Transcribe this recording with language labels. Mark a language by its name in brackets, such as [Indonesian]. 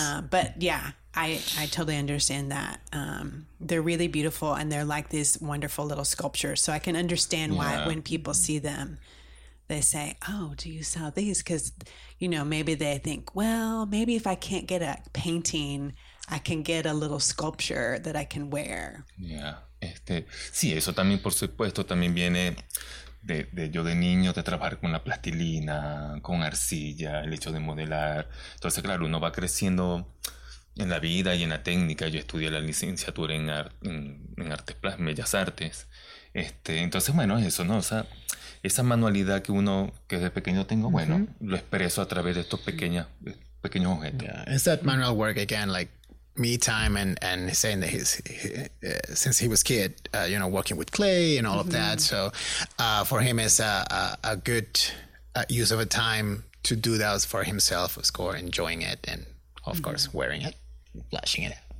[English] But yeah, I totally understand that. They're really beautiful and they're like these wonderful little sculptures. So I can understand why, yeah, when people see them, they say, oh, do you sell these? Because, you know, maybe they think, well, maybe if I can't get a painting, I can get a little sculpture that I can wear. Yeah. [Spanish] Sí, eso también, por supuesto, también viene de yo de niño, de trabajar con la plastilina, con arcilla, el hecho de modelar. Entonces, claro, uno va creciendo en la vida y en la técnica. Yo estudié la licenciatura en artes plásticas, bellas artes. Entonces, bueno, eso, ¿no? O sea, esa manualidad que uno, que desde pequeño tengo, mm-hmm, bueno, lo expreso a través de estos pequeños objetos. [English] Yeah, it's that manual work again, like me time and saying that he's since he was kid, you know, working with clay and all, mm-hmm, of that. So for him, it's a good use of a time to do that for himself, of course, enjoying it and, of mm-hmm, course, wearing it, flashing it.